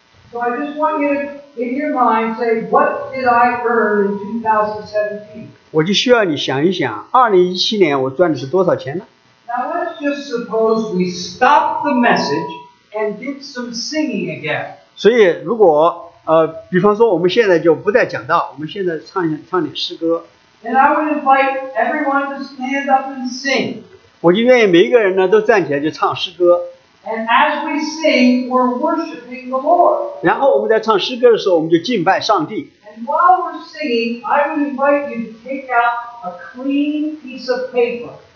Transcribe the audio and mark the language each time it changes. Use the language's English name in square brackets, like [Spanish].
[English] So I just want you to, in your mind, say, what did I earn in 2017? [Chinese] 我就需要你想一想，2017年我赚的是多少钱呢？ [English] Now let's just suppose we stop the message and did some singing again. [Chinese] 所以如果，比方说我们现在就不再讲道，我们现在唱点诗歌。 [English] And I would invite everyone to stand up and sing. [Chinese] 我就愿意每一个人呢都站起来就唱诗歌。 [English] And as we sing, we're worshiping the Lord. [Chinese] 然后我们在唱诗歌的时候，我们就敬拜上帝。 [English] And while we're singing, I would invite you to take out a clean piece of paper.